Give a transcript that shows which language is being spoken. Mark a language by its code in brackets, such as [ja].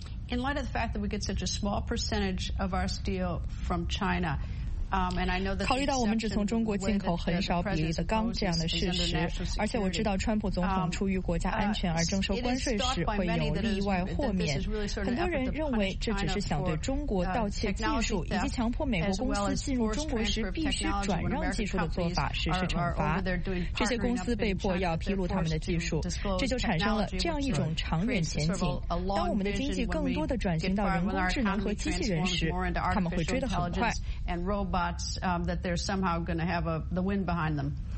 [en] In light of the fact that we get such a small percentage of our steel from China. [zh] 考虑到我们只从中国进口很少比例的钢这样的事实，而且我知道川普总统出于国家安全而征收关税时会有例外豁免，很多人认为这只是想对中国盗窃技术以及强迫美国公司进入中国时必须转让技术的做法实施惩罚，这些公司被迫要披露他们的技术，这就产生了这样一种长远前景。当我们的经济更多地转型到人工智能和机器人时，他们会追得很快。 [en] That they're somehow going to have the wind behind them.